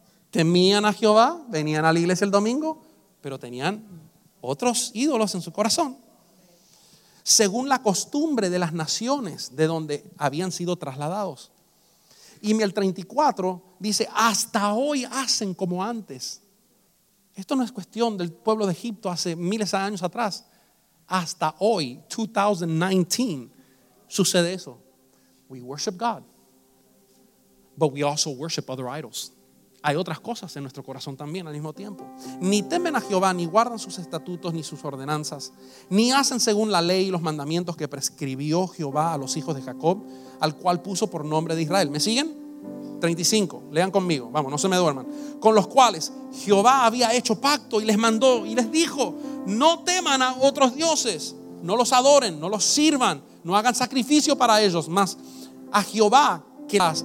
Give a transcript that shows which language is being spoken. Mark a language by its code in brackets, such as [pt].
[es] Temían a Jehová, venían a la iglesia el domingo, pero tenían otros ídolos en su corazón, según la costumbre de las naciones de donde habían sido trasladados. Y el 34 dice, hasta hoy hacen como antes. Esto no es cuestión del pueblo de Egipto hace miles de años atrás. Hasta hoy, 2019, sucede eso. [en] We worship God, but we also worship other idols. [es] Hay otras cosas en nuestro corazón también al mismo tiempo. Ni temen a Jehová, ni guardan sus estatutos, ni sus ordenanzas, ni hacen según la ley y los mandamientos que prescribió Jehová a los hijos de Jacob, al cual puso por nombre de Israel. ¿Me siguen? 35, lean conmigo, vamos, no se me duerman. Con los cuales Jehová había hecho pacto y les mandó y les dijo, no teman a otros dioses, no los adoren, no los sirvan, no hagan sacrificio para ellos, más a Jehová que las...